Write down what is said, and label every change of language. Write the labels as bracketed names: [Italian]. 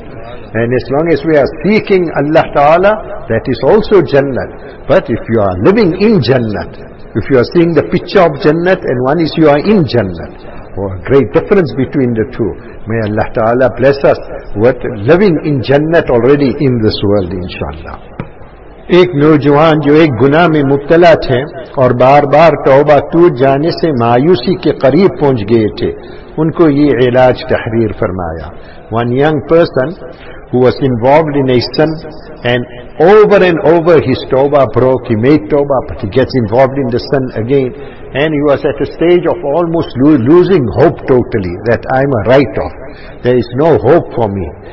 [English] And as long as we are seeking Allah Ta'ala, that is also Jannah. But if you are living in Jannah, if you are seeing the picture of Jannah, and one is you are in Jannah, a great difference between the two. May Allah Ta'ala bless us with living in Jannah already in this world, inshaAllah. [Urdu] ایک نوجوان جو ایک گناہ میں مبتلا تھے اور بار بار توبہ ٹوٹ جانے سے مایوسی کے قریب پہنچ گئے تھے, ان کو یہ علاج تحریر فرمایا. [English] One young person who was involved in a sin and over his توبہ broke, he made توبہ but he gets involved in the sin again and he was at a stage of almost losing hope totally that I'm a right off, there is no hope for me.